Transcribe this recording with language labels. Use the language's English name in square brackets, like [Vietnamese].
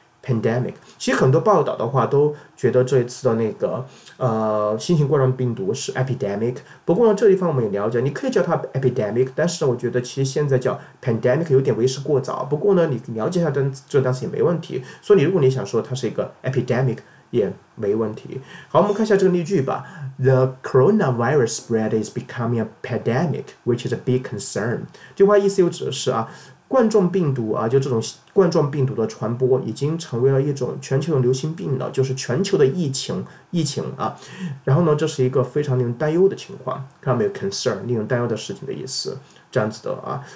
[Chinese] Pandemic， 其实很多报道的话都觉得这一次的那个新型冠状病毒是 epidemic， 不过呢这地方我们也了解，你可以叫它 epidemic， 但是我觉得其实现在叫 pandemic 有点为时过早，不过呢你了解一下这单词也没问题，所以你如果你想说它是一个 epidemic 也没问题。好，我们看一下这个例句吧。 [English] The coronavirus spread is becoming a pandemic which is a big concern。 [Chinese] 这话意思又指的是啊，冠状病毒啊，就这种冠状病毒的传播已经成为了一种全球的流行病了，就是全球的疫情啊。然后呢，这是一个非常令人担忧的情况，看到没有 ？concern， 令人担忧的事情的意思，这样子的啊。